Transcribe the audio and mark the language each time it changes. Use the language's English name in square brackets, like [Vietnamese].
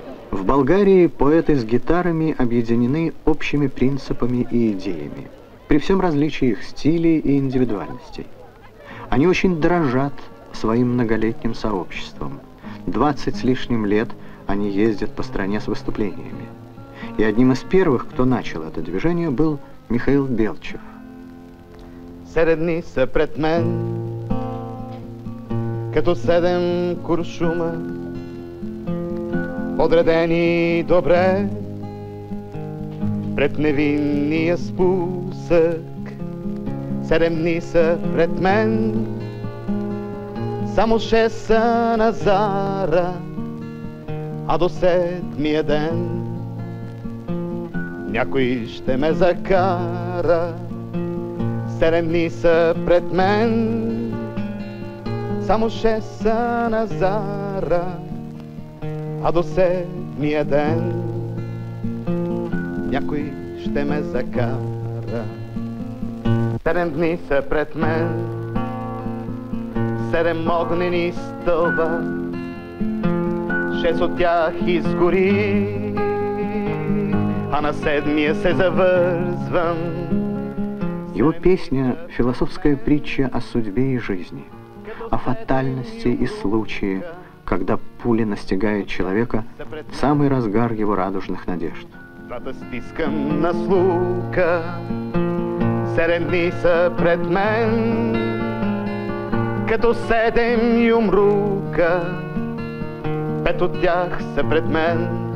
[Russian] В Болгарии поэты с гитарами объединены общими принципами и идеями, при всем различии их стилей и индивидуальностей. Они очень дорожат своим многолетним сообществом. 20 с лишним лет они ездят по стране с выступлениями. И одним из первых, кто начал это движение, был Михаил Белчев. [Bulgarian] Седем дни са пред мен, като седем куршума. Подредени добре, пред невинния спусък. Седем дни са пред мен, само 6 са на зара, а до 7-я ден някой ще ме закара. Седем дни са пред мен, само 6 са на зара, а до 7-я ден някой ще ме закара. 7 дни са пред мен, 7 огнени стълба, 6 от тях изгори, а на 7-я се завързвам. [Russian] Его песня – философская притча о судьбе и жизни, о фатальности и случае, когда пуля настигает человека в самый разгар его радужных надежд. [Bulgarian] Двата стискам на слука, 7 дни са пред мен, като 7 юмрука, 5 от тях са пред мен.